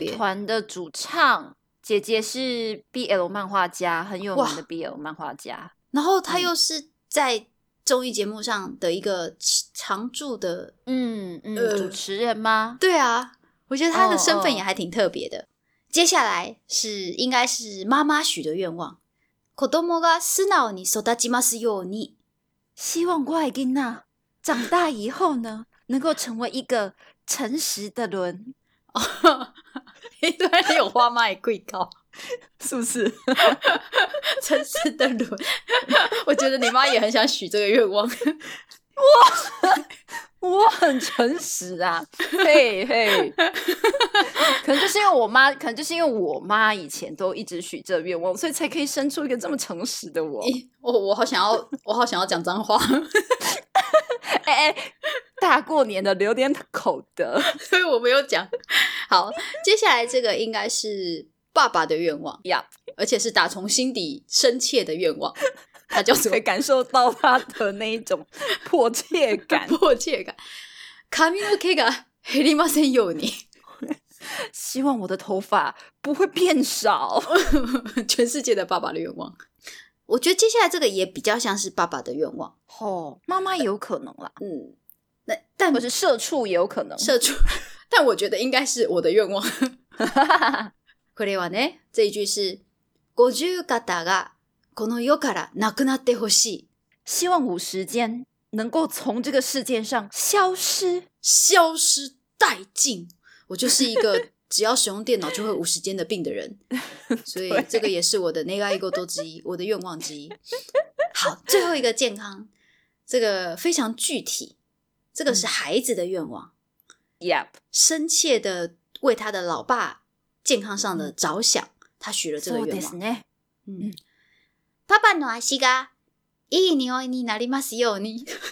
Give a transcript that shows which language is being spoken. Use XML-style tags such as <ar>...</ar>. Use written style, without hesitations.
<zh>乐团的主唱姐姐是 BL 漫画家，很有名的 BL 漫画家。然后他又是在综艺节目上的一个常驻的主持人吗？对啊，我觉得他的身份也还挺特别的。接下来是应该是妈妈许的愿望。</zh> <ja>子供が素直に育ちますように。</ja> <zh>希望我的孩子长大以后呢能够成为一个诚实的人。一段你有花妈也贵高。是不是诚实的人。我觉得你妈也很想许这个愿望。哇我很诚实啊，嘿嘿，可能就是因为我妈，可能就是因为我妈以前都一直许这愿望，所以才可以生出一个这么诚实的我。我好想要，我好想要讲脏话。哎、欸，大过年的留点口德，所以我没有讲。好，接下来这个应该是爸爸的愿望呀， yep. 而且是打从心底深切的愿望。他就会感受到他的那一种迫切感。迫切感。</zh> <ja>髪の毛が減りませんように。</ja> <zh>希望我的头发不会变少。全世界的爸爸的愿望。我觉得接下来这个也比较像是爸爸的愿望。哦，妈妈也有可能啦。但或是社畜也有可能。社畜。但我觉得应该是我的愿望。</zh> <ja>これはね、</ja> <zh>这一句是</zh> <ja>50型がこの世からなくなってほしい。</ja> <zh>希望五十肩能够从这个世界上消失，消失殆尽。我就是一个只要使用电脑就会五十肩的病的人，所以这个也是我的</zh> <ja>願い事</ja> <zh>之一，我的愿望之一。好，最后一个健康，这个非常具体，这个是孩子的愿望。 Yep，深切的为他的老爸健康上的着想，他许了这个愿望。</zh> <ja>そうですね。嗯。パパの足がいい匂いになりますように。</ja>